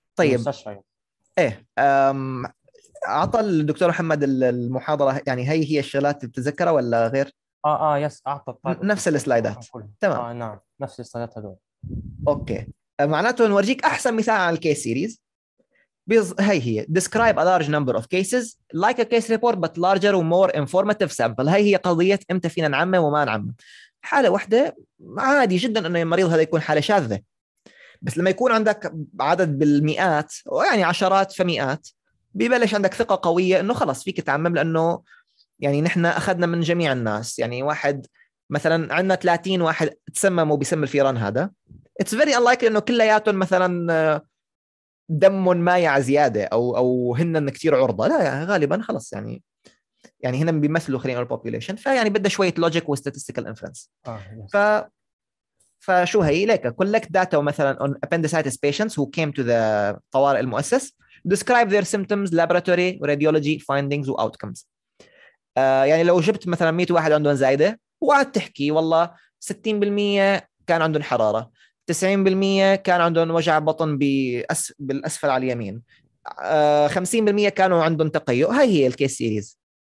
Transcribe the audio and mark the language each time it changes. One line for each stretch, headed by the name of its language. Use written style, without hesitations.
Arabic: طيب ايه اعطى الدكتور احمد المحاضره يعني هي هي الشغلات بتذكرها ولا غير؟ يس اعطى نفس السلايدات. تمام نعم نفس السلايدات هذول. اوكي معناته نورجيك احسن مثال على الكيس سيريز. هي هي
English: describe a large number of cases like a case report but larger and more informative sample.
Arabic: هي هي قضيه امتى فينا نعمم وما نعمم. حاله واحده عادي جدا انه المريض هذا يكون حاله شاذه، بس لما يكون عندك عدد بالمئات يعني عشرات فمئات بيبلش عندك ثقة قوية انه خلص فيك تعمم، لانه يعني نحن اخذنا من جميع الناس. يعني واحد مثلا عندنا 30 واحد تسمموا بسم الفيران هذا،
English: it's very unlikely
Arabic: انه كلياتهم مثلا دم مايع زيادة او هن كتير عرضة، لا يعني غالبا خلص يعني يعني هنا بيمثلوا خلينا نقول population. فيعني بده شوية logic و
English: statistical inference.
Arabic: فشو هي لك
English: collect data
Arabic: مثلا
English: on appendicitis patients who came to the
Arabic: طوارئ المؤسس،
English: describe their symptoms, laboratory, radiology findings و outcomes.
Arabic: يعني لو جبت مثلا 100 واحد عندهم زايدة وقعد تحكي والله 60% كان عندهم حرارة، 90% كان عندهم وجع بطن بالأسفل على اليمين، 50% كانوا عندهم تقيؤ، هاي هي الكيس سيريز.